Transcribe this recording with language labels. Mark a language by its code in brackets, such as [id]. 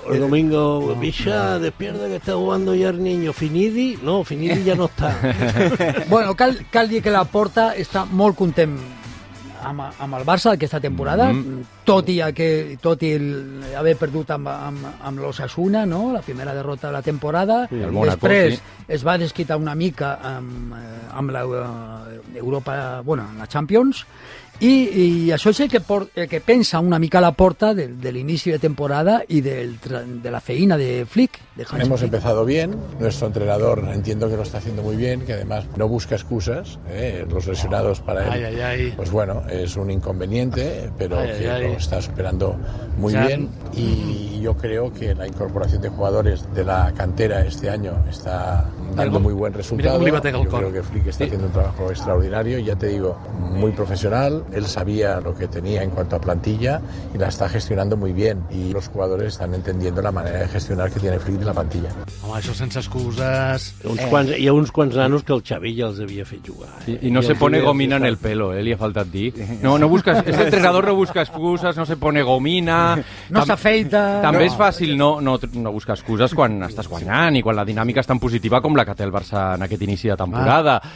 [es] El domingo, bicha, despierta que está jugando ya el niño. Finidi ya no está. [ca] Bueno, cal dir que la Porta està molt content amb el Barça aquesta temporada, tot i haver perdut amb l'Osasuna, no?, la primera derrota de la temporada. Sí, després Monaco, sí. Es va desquitar una mica amb l'Europa, bueno, la Champions, i això és el que pensa una mica la Porta de l'inici de temporada i de la feina de Flick. De [es] Hemos empezado bien, nuestro entrenador entiendo que lo está haciendo muy bien, que además no busca excusas, los lesionados para él, pues bueno, es un inconveniente, pero lo está superando muy bien, y yo creo que la incorporación de jugadores de la cantera este año está dando muy buen resultado. Yo creo que Flick está haciendo un trabajo extraordinario, ya te digo, muy profesional. Él sabía lo que tenía en cuanto a plantilla y la está gestionando muy bien, y los jugadores están entendiendo la manera de gestionar que tiene Flick de la plantilla. [ca] Home, això sense excuses... Hi ha uns quants nanos que el Xavi ja els havia fet jugar. [es] I no se pone gomina en el pelo, [ca] li ha faltat dir. No busques... [es] Este entrenador no busca excuses, no se pone gomina... [ca] No s'afeita... També és fàcil no buscar excuses quan estàs guanyant i quan la dinàmica és tan positiva com la que té el Barça en aquest inici de temporada.